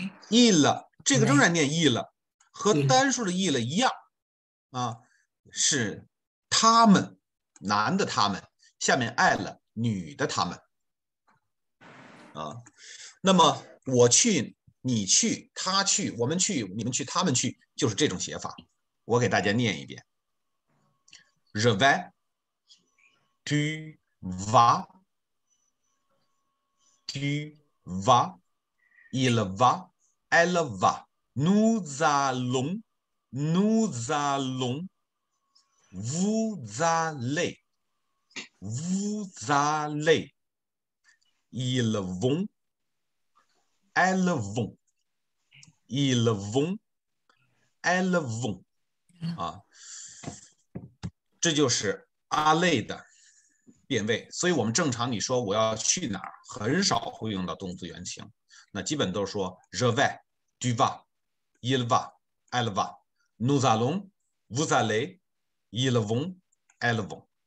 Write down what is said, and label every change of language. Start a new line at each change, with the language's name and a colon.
Chinese: il 这个仍然念 il， 和单数的 il 一样啊，是他们，男的他们，下面爱了女的他们。啊，那么我去，你去，他去，我们去，你们去，他们去，就是这种写法。我给大家念一遍
French: Je vais, tu vas, tu vas, il va, elle va, nous allons, nous allons, vous allez, vous allez, ils vont, elles vont, ils vont, elles vont.
Chinese: 啊，这就是阿类的变位，所以我们正常你说我要去哪儿，很少会用到动词原形，那基本都说
French: je vais, tu vas, il va, elle va, nous allons, vous allez, ils vont, elles vont.